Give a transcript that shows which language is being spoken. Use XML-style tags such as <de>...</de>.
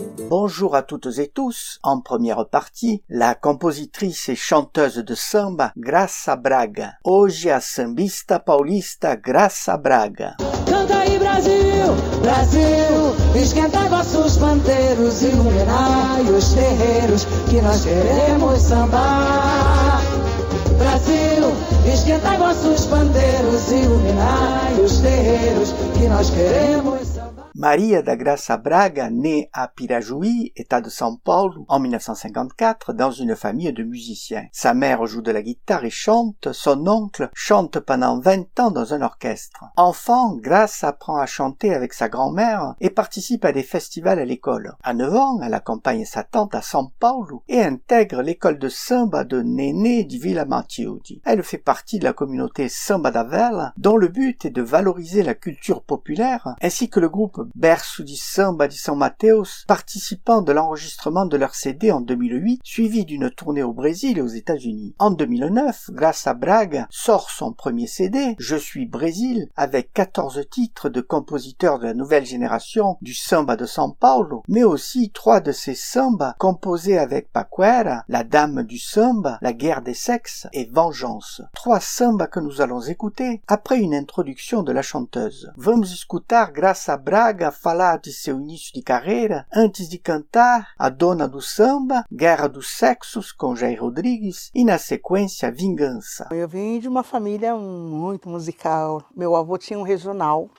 <fr>Bonjour à toutes et tous. En première partie, la compositrice et chanteuse de samba Graça Braga.</fr> <pt>Hoje a sambista paulista Graça Braga. Canta aí Brasil, Brasil, esquenta vossos panteiros, iluminai os terreiros que nós queremos sambar. Brasil, esquenta vossos panteiros, iluminai os terreiros que nós queremos sambar.</pt> <fr>Maria da Graça Braga, née à Pirajuí, État de São Paulo, en 1954, dans une famille de musiciens. Sa mère joue de la guitare et chante, son oncle chante pendant 20 ans dans un orchestre. Enfant, Graça apprend à chanter avec sa grand-mère et participe à des festivals à l'école. À 9 ans, elle accompagne sa tante à São Paulo et intègre l'école de samba de Nenê de Vila Matilde. Elle fait partie de la communauté Samba da Vela, dont le but est de valoriser la culture populaire, ainsi que le groupe Berço de Samba de São Mateus, participant de l'enregistrement de leur CD en 2008, suivi d'une tournée au Brésil et aux États-Unis. En 2009, Graça Braga sort son premier CD, Je suis Brésil, avec 14 titres de compositeurs de la nouvelle génération du samba de São Paulo, mais aussi 3 de ses sambas composés avec Paquera, La Dame du Samba, La Guerre des Sexes et Vengeance. 3 sambas que nous allons écouter après une introduction de la chanteuse.</fr> <pt>Vamos escutar Graça Braga falar de seu início de carreira antes de cantar A Dona do Samba, Guerra dos Sexos com Jair Rodrigues e na sequência Vingança. Eu vim de uma família muito musical. Meu avô tinha um regional.</pt>